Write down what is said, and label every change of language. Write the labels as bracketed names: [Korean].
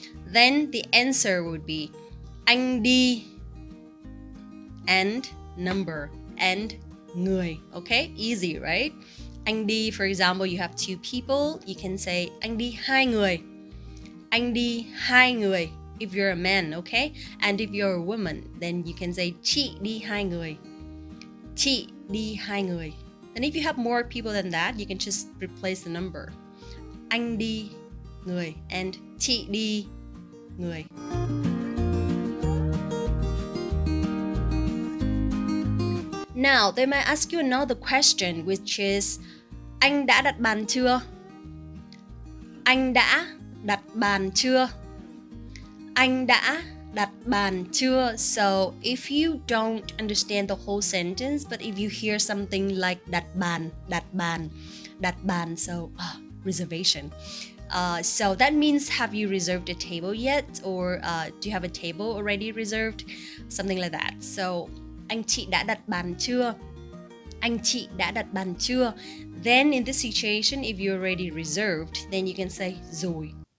[English] Then the answer would be [Vietnamese] anh đi [English] and number and [Vietnamese] người. [English] Okay, easy, right? [Vietnamese] Anh đi, [English] for example, you have two people, you can say [Vietnamese] anh đi hai người. Anh đi hai người, [English] if you're a man, okay? And if you're a woman, then you can say [Vietnamese] chị đi hai người. Chị đi hai người. [English] And if you have more people than that, you can just replace the number. [Vietnamese] Anh đi người and chị đi người. [English] Now, they might ask you another question, which is [Vietnamese] anh đã đặt bàn chưa? Anh đã đặt bàn chưa? Anh đã đặt bàn chưa? [English] So if you don't understand the whole sentence, but if you hear something like [Vietnamese] đặt bàn, đặt bàn, đặt bàn, [English] so reservation. So that means, have you reserved a table yet? Or do you have a table already reserved? Something like that. [Vietnamese] So anh chị đã đặt bàn chưa? Anh chị đã đặt bàn chưa? [English] Then in this situation, if you already reserved, then you can say [Vietnamese] rồi.